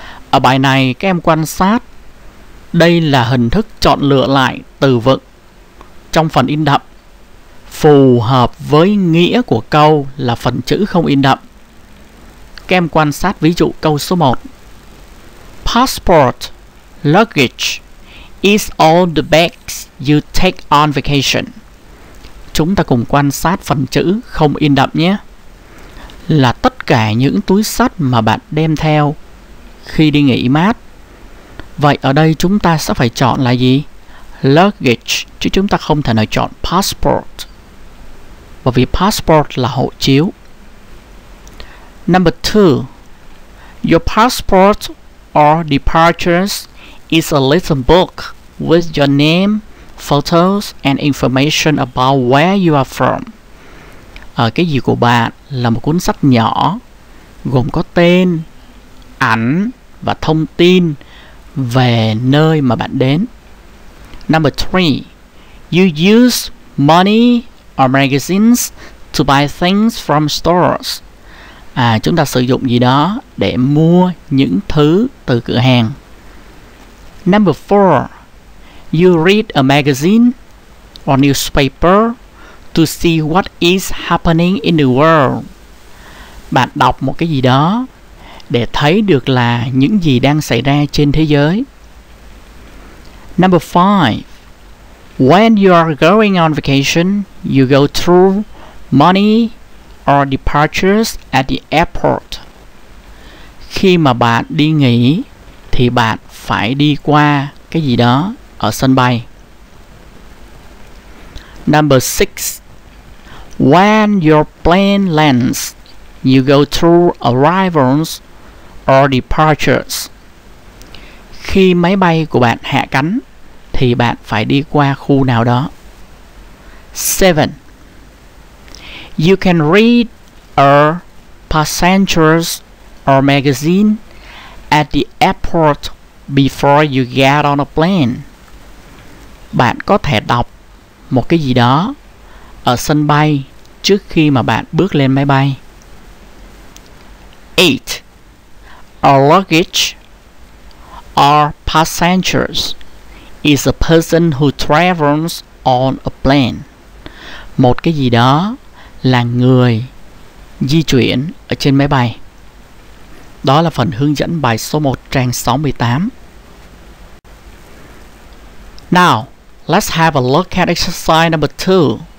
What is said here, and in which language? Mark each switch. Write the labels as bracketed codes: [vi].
[vi] Ở bài này các em quan sát, đây là hình thức chọn lựa lại từ vựng trong phần in đậm phù hợp với nghĩa của câu là phần chữ không in đậm. Các em quan sát ví dụ câu số 1. [en] Passport, luggage is all the bags you take on vacation. [vi] Chúng ta cùng quan sát phần chữ không in đậm nhé. Là tất cả những túi xách mà bạn đem theo khi đi nghỉ mát. Vậy ở đây chúng ta sẽ phải chọn là gì? Luggage, chứ chúng ta không thể nào chọn passport. Bởi vì passport là hộ chiếu. [en] Number 2. Your passport or departures is a little book with your name, photos and information about where you are from. [vi] Cái gì của bạn là một cuốn sách nhỏ gồm có tên, ảnh và thông tin về nơi mà bạn đến. [en] Number 3. You use money or magazines to buy things from stores. [vi] Chúng ta sử dụng gì đó để mua những thứ từ cửa hàng. [en] Number 4. You read a magazine or newspaper to see what is happening in the world. [vi] Bạn đọc một cái gì đó để thấy được là những gì đang xảy ra trên thế giới. [en] Number 5. When you are going on vacation, you go through money or departures at the airport. [vi] Khi mà bạn đi nghỉ thì bạn phải đi qua cái gì đó ở sân bay. [en] Number 6. When your plane lands, you go through arrivals or departures. [vi] Khi máy bay của bạn hạ cánh thì bạn phải đi qua khu nào đó. [en] 7. You can read a passenger's or magazine at the airport before you get on a plane. [vi] Bạn có thể đọc một cái gì đó ở sân bay trước khi mà bạn bước lên máy bay. [en] 8. Our luggage or passengers is a person who travels on a plane. [vi] Một cái gì đó là người di chuyển ở trên máy bay. Đó là phần hướng dẫn bài số 1 trang 68. [en] Now, let's have a look at exercise number 2.